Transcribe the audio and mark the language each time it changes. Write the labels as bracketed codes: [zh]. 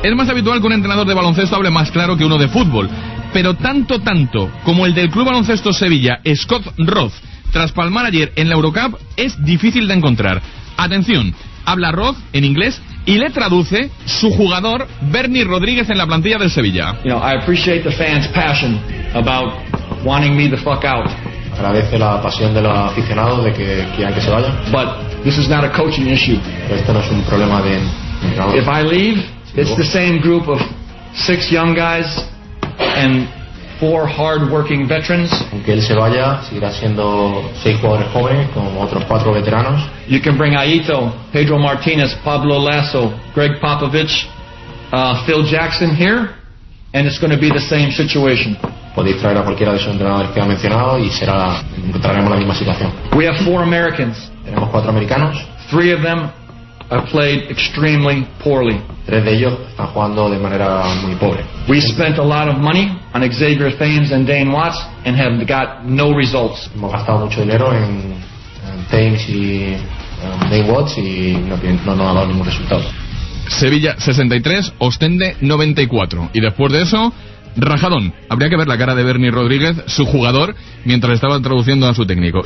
[es] Es más habitual que un entrenador de baloncesto hable más claro que uno de fútbol, pero tanto como el del Club Baloncesto Sevilla, Scott Roth, tras palmar ayer en la Eurocup, es difícil de encontrar. Atención, habla Roth en inglés y le traduce su jugador Bernie Rodríguez en la plantilla del Sevilla. [en] You know, I appreciate the fans' passion about wanting me the fuck out. [es] Agradece la pasión de los aficionados de que quieran que se vaya. [en] But this is not a coaching issue. [es] Este no es un problema de entrenador. [en] If I leave, it's the same group of 6 young guys and 4 hard-working veterans. [es] Aunque él se vaya, seguirá siendo 6 jugadores jóvenes con otros 4 veteranos. [en] You can bring Aito, Pedro Martinez, Pablo Lasso, Greg Popovich, Phil Jackson here, and it's going to be the same situation. [es] Podéis traer a cualquiera de esos entrenadores que ha mencionado y será, encontraremos la misma situación. [en] We have 4 Americans. [es] Tenemos 4 americanos. [en] 3 of them have played extremely poorly. [es] 3 de ellos están jugando de manera muy pobre. [en] We spent a lot of money on Xavier Thames and Dane Watts and have got no results. [es] Hemos gastado mucho dinero en Thames y Dane Watts y no ha dado ningún resultado. Sevilla 63, Ostende 94. Y después de eso, rajadón. Habría que ver la cara de Bernie Rodríguez, su jugador, mientras estaba traduciendo a su técnico.